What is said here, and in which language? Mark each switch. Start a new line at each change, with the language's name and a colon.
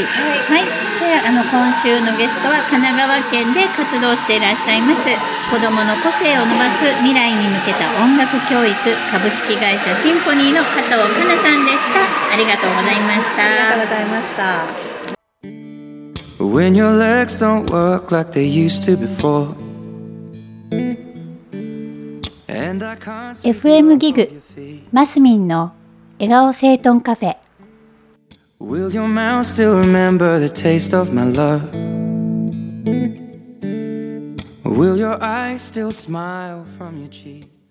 Japanese: はい、であの今週のゲストは神奈川県で活動していらっしゃいます子どもの個性を伸ばす未来に向けた音楽教育株式会社シンフォニーの加藤かなさんでした。ありがとうございました。ありがとうございました。
English: When your legs don't work like they used to before
Japanese: FM ギグマスミンの笑顔整頓カフェ。
English: Will your mouth still remember the taste of my love? Will your eyes still smile from your cheek?